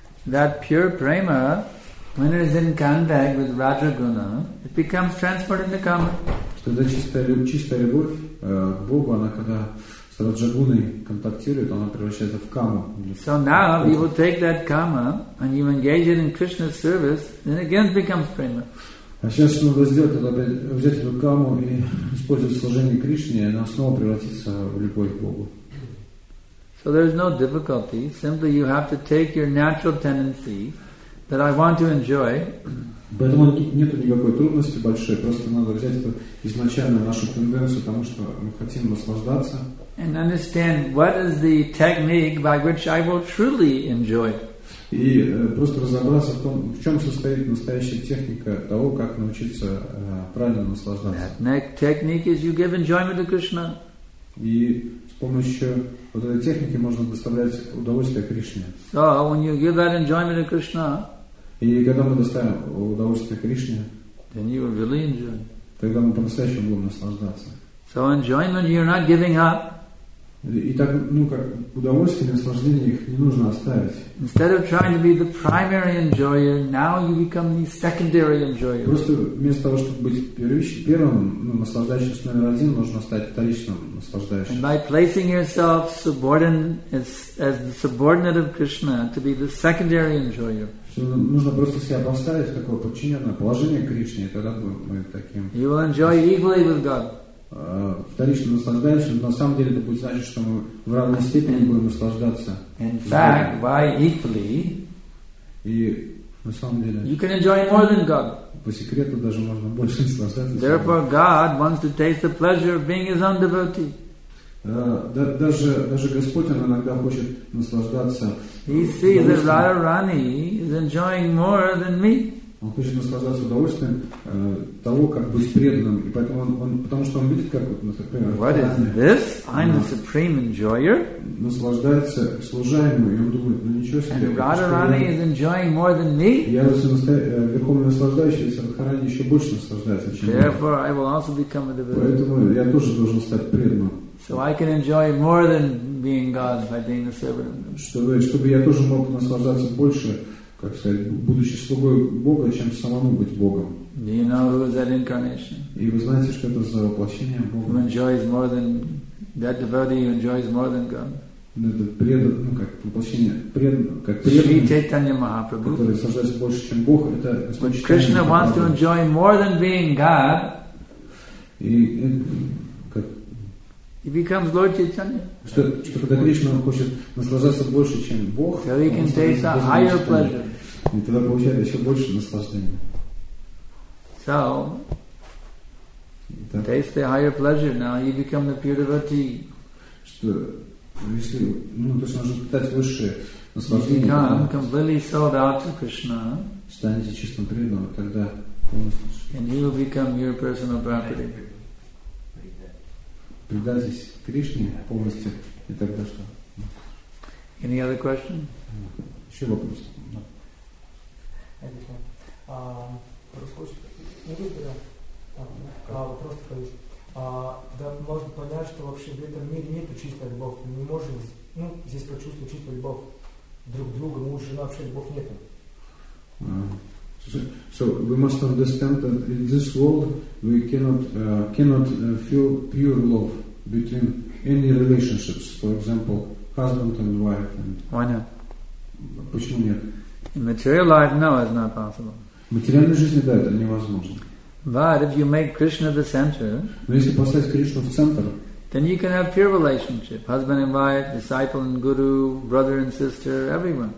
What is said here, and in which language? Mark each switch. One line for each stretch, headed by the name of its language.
English: That pure prema, when it is in contact with Rajaguna, it becomes transported into kama.
Russian: Что это чистая любовь к Богу, она когда с Раджагуной контактирует, она превращается в каму.
English: So now if you will take that kama and you engage it in Krishna's service, then it again becomes prema.
Russian: А сейчас, что надо сделать, это взять эту каму и использовать служение Кришне, и она снова превратится в любовь к Богу.
English: So there is no difficulty. Simply you have to take your natural tendency that I want to enjoy.
Russian: Поэтому тут нет никакой трудности большой. Просто надо взять эту изначальную нашу тенденцию, потому что мы хотим наслаждаться.
English: And understand what is the technique by which I will truly enjoy.
Russian: И просто разобраться в том, в чем состоит настоящая техника того, как научиться правильно наслаждаться.
English: That technique is you give enjoyment to Krishna.
Russian: И с помощью вот этой техники можно доставлять удовольствие Кришне.
English: So when you give that enjoyment to Krishna,
Russian: и когда мы доставим удовольствие Кришне,
English: then you will really enjoy.
Russian: Тогда мы по-настоящему будем наслаждаться.
English: So enjoyment you're not giving up.
Russian: И так, ну как удовольствие, наслаждение их не нужно оставить.
English: Instead of trying to be the primary enjoyer, now you become the secondary enjoyer.
Russian: Просто вместо того, чтобы быть первым, ну, наслаждающимся номер один, нужно стать вторичным наслаждающимся.
English: And by placing yourself as the subordinate of Krishna, to be the secondary enjoyer.
Russian: Нужно просто себя поставить в такое подчиненное положение Кришне, и тогда мы таким.
English: You will enjoy equally with God.
Russian: Вторично наслаждающим, но на самом деле это будет значить, что мы в равной степени будем наслаждаться.
English: In fact, by equally,
Russian: и на самом деле,
English: you can enjoy more than God.
Russian: По секрету даже можно больше наслаждаться.
English: Therefore, God wants to taste the pleasure of being His own devotee.
Russian: Даже Господь иногда хочет наслаждаться.
English: He sees that Radharani is enjoying more than me.
Russian: Он хочет наслаждаться удовольствием того, как быть преданным, и поэтому он потому что он видит, как вот, например,
English: what is this? I'm the supreme enjoyer.
Russian: Наслаждается служаемый, и он думает, ну ничего себе.
English: And Radharani is enjoying more than me.
Russian: Я верховный наслаждающий, и Радхарани еще больше наслаждается, чем
English: therefore, I will also become a devotee.
Russian: Поэтому я тоже должен стать преданным.
English: So I can enjoy more than being God by being a servant.
Russian: Чтобы я тоже мог наслаждаться больше. Как сказать, будучи слугой Бога, чем самому быть Богом.
English: Do you know who is that incarnation?
Russian: И вы знаете, что это за воплощение Бога?
English: Who enjoys more than that devotee who enjoys more than God?
Russian: Это преданное, ну как воплощение преданное, как преданное.
English: Shri Chaitanya Mahaprabhu.
Russian: Который наслаждается больше, чем Бог, это
English: when Krishna wants to enjoy more than being God.
Russian: И как?
English: He becomes Lord Chaitanya.
Russian: Что когда Кришна хочет наслаждаться больше, чем Бог,
English: so he can taste a higher pleasure.
Russian: И тогда получает еще больше наслаждения.
English: So, так, taste the higher pleasure. Now you become the pure devotee.
Russian: Что, если, ну, то есть нужно испытать высшее наслаждение.
English: You become completely sold out to Krishna.
Russian: Станете чистым преданным, тогда.
English: And you will become your personal property.
Russian: Предайтесь Кришне полностью, и тогда что?
English: Any other question?
Russian: Еще вопрос? Вопрос такой есть. Да, можно понять, что вообще в этом мире нет чистой любовь. Мы не можем здесь почувствовать чистую любовь друг к другу, муж, жена, вообще любовь нету.
English: So we must understand that in this world we cannot feel pure love. Between any relationships, for example, husband and wife. And why not?
Russian: Почему нет?
English: In material life, no, it's not possible.
Russian: В материальной жизни, да, это невозможно.
English: But if you make Krishna the center,
Russian: но если поставить Кришну в центр,
English: then you can have pure relationship, husband and wife, disciple and guru, brother and sister, everyone.